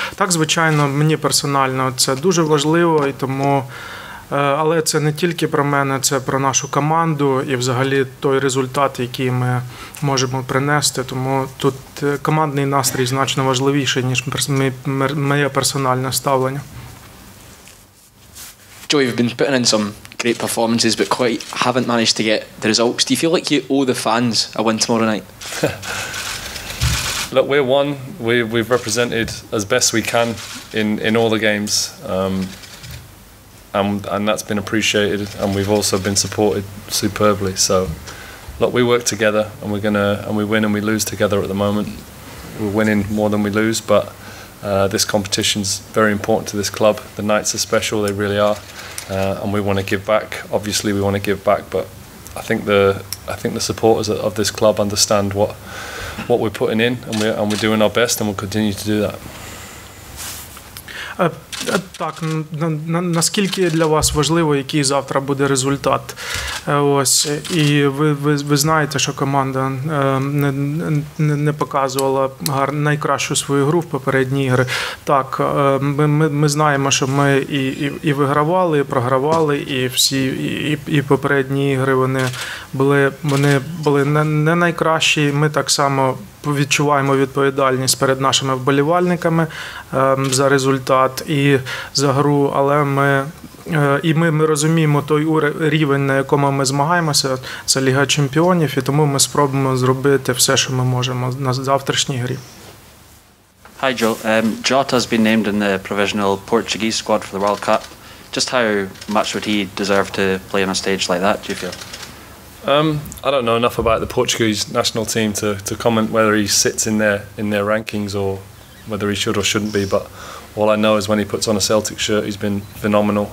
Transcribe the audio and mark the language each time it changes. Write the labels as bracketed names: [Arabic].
[Ukrainian] Так, звичайно, мені персонально це дуже важливо, і тому, але це не тільки про мене, це про нашу команду і взагалі той результат, який ми можемо принести. Тому тут командний настрій значно важливіший, ніж моє персональне ставлення. [English] Joe, you've been putting in some great performances, but quite haven't managed to get the results. Do you feel like you owe the fans a win tomorrow night? Look, we're one. We've represented as best we can in all the games, and that's been appreciated. And we've also been supported superbly. So, look, we work together, and we win and we lose together. At the moment, we're winning more than we lose, but. This competition's very important to this club. The Knights are special, they really are. And we want to give back. Obviously we want to give back, but I think the supporters of this club understand what we're putting in, and we're doing our best and we'll continue to do that. [Ukrainian] Так, наскільки для вас важливо, який завтра буде результат? Ось, і ви знаєте, що команда не показувала найкращу свою гру в попередні ігри. Так, ми знаємо, що ми і вигравали, і програвали, і всі і попередні ігри вони були не найкращі. Ми так само відчуваємо відповідальність перед нашими вболівальниками за результат і за гру, але ми розуміємо той рівень, на якому ми змагаємося, це Ліга Чемпіонів, і тому ми спробуємо зробити все, що ми можемо на завтрашній грі. [English] Hi, Joe. Jota has been named in the provisional Portuguese squad for the World Cup. Just how much would he deserve to play on a stage like that, do you feel? I don't know enough about the Portuguese national team to comment whether he sits in their rankings or whether he should or shouldn't be, but all I know is when he puts on a Celtic shirt, he's been phenomenal.